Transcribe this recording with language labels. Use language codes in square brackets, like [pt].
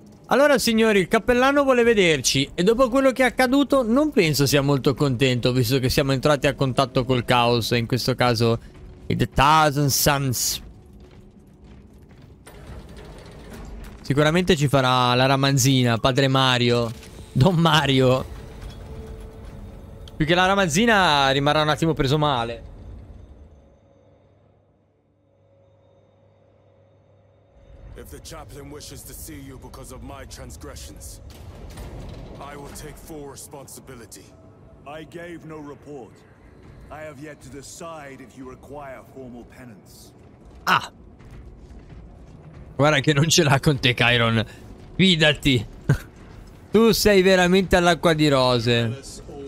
[it] Allora, signori, il cappellano vuole vederci e dopo quello che è accaduto non penso sia molto contento, visto che siamo entrati a contatto col caos, in questo caso il Thousand Suns. Sicuramente ci farà la ramanzina, padre Mario, Don Mario. Più che la ramanzina rimarrà un attimo preso male. [en] If the chaplain wishes to see you because of my transgressions, I will take full responsibility. I gave no report. I have yet to decide if you require formal penance. Ah! [it] Guarda che non ce l'ha con te, Chiron. Fidati! Tu sei veramente all'acqua di rose.